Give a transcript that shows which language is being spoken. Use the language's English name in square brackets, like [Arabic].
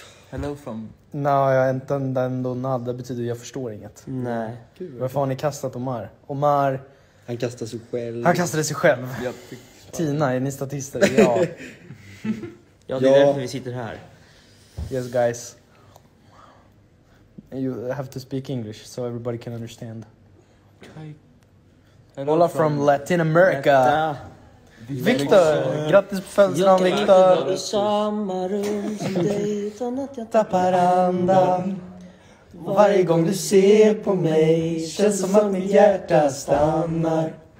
[English] Hello from... [Swedish] Nej, jag entende ändå nada. Det betyder att jag förstår inget. Nej. Varför har ni kastat Omar? Omar... Han kastade sig själv. Han kastade sig själv. Jag fick Tina, är ni statister? Ja. Ja, det är därför vi sitter här. [English] Yes, guys. You have to speak English so everybody can understand. Okay. Hola from Latin America. [Swedish] Victor, grattis på födelsedagen, Victor. Jag kan vara i samma rum som dig utan att jag tappar andan. Varje gång du ser på mig känns som att mitt hjärta stannar.